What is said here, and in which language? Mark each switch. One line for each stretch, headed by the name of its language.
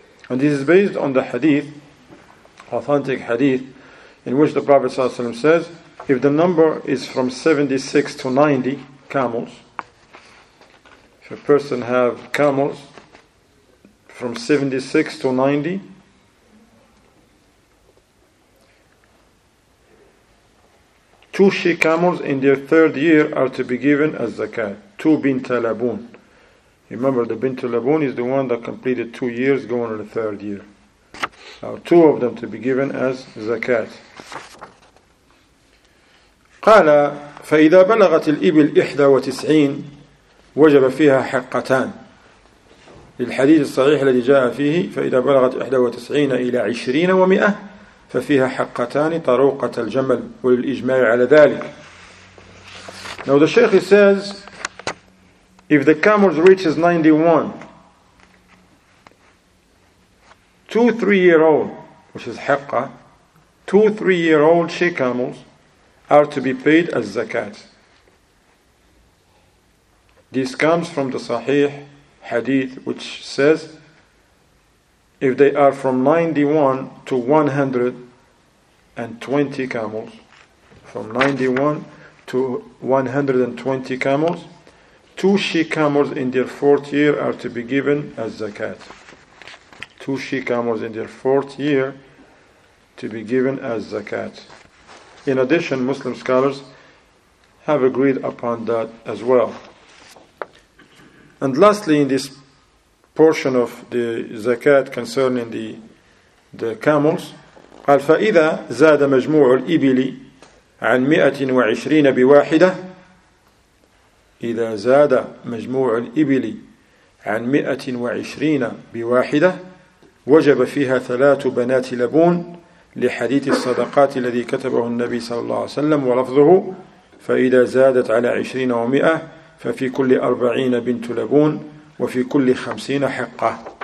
English: And this is based on the hadith, authentic hadith, in which the Prophet ﷺ says, if the number is from 76 to 90 camels, if a person have camels from 76 to 90, two she-camels in their third year are to be given as zakat, two bint labun. Remember, the bint labun is the one that completed 2 years going on the third year. Now, two of them to be given as zakat.
Arabic: قال فإذا بلغت الإبل 91 وجب فيها حقتان للحديث الصحيح الذي جاء فيه فإذا بلغت 91 إلى 20 و100 ففيها حقتان طروقة الجمل وللإجماع على ذلك.
English: Now the Sheikh says, if the camel reaches 91, 2-3 year old, which is haqqa, 2-3 year old she camels are to be paid as zakat. This comes from the Sahih hadith, which says, if they are from 91 to 120 camels, from 91 to 120 camels, two she camels in their fourth year are to be given as zakat. Two she camels in their fourth year to be given as zakat. In addition, Muslim scholars have agreed upon that as well. And lastly, in this portion of the zakat concerning the camels,
Arabic: قال فإذا زاد مجموع الإبل عن 120 بواحدة إذا زاد مجموع الإبل عن 120 بواحدة وجب فيها 3 بنات لبون لحديث الصدقات الذي كتبه النبي صلى الله عليه وسلم ولفظه فإذا زادت على 20 و100 ففي كل 40 بنت لبون وفي كل 50 حقة.